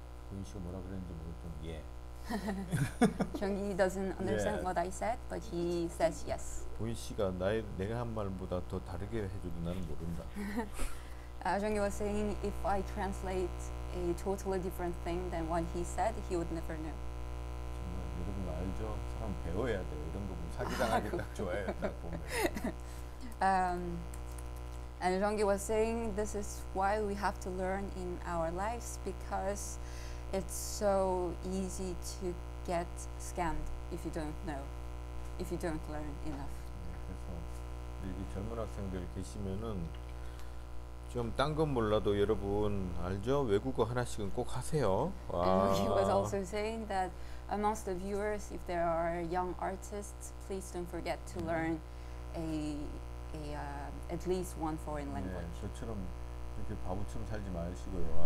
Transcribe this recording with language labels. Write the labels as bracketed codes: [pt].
[ko] 보이시고 뭐라 그랬는지 모르겠지만 예. [en] 정이 doesn't understand what I said, but he says yes. [ko] 보이시가 나의 내가 한 말보다 더 다르게 해줘도 나는 모른다. [en] Zhonggi was saying, if I translate a totally different thing than what he said, he would never know. [ko] 정말 여러분 알죠? 사람 배워야 돼요. 이런 거 보면 사기당하기 딱 좋아요. 딱 보면. [en] And Zhonggi was saying, this is why we have to learn in our lives, because it's so easy to get scammed if you don't know, if you don't learn enough. [ko] 그래서 이 젊은 학생들 계시면은 좀 딴 건 몰라도 여러분 알죠? 외국어 하나씩은 꼭 하세요. 와. [en] And he was also saying that amongst the viewers, if there are young artists, please don't forget to learn at least one foreign language. [ko] 네, 저처럼 이렇게 바보처럼 살지 마시고요.